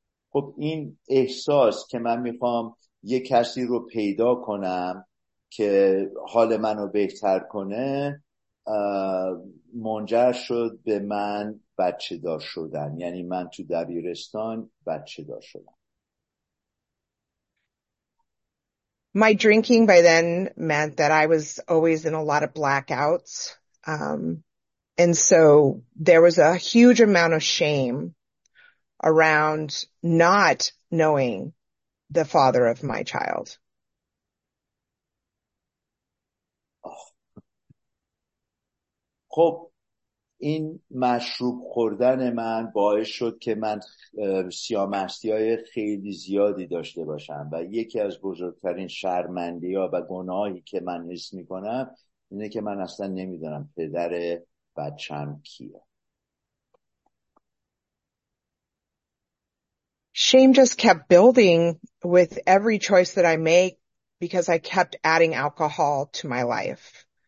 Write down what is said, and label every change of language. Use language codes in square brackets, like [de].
[fa] خب این احساس که من میخوام یه کسی رو پیدا کنم که حال منو بهتر کنه، منجر شد به من بچه دار شدن. یعنی من تو دبیرستان بچه دار شدم. [en] My drinking by then meant that I was always in a lot of blackouts. And so there was a huge amount of shame around not knowing the father of my child. [fa] خب این مشروب خوردن من باعث شد که من سیامشتی‌های خیلی زیادی داشته باشم و یکی از بزرگترین شرمندی‌ها و گناهی که من حس می‌کنم اینه که من اصلا نمی‌دونم پدر بچه‌م کیه. [en] Shame just kept building with every choice that I make because I kept adding alcohol to my life.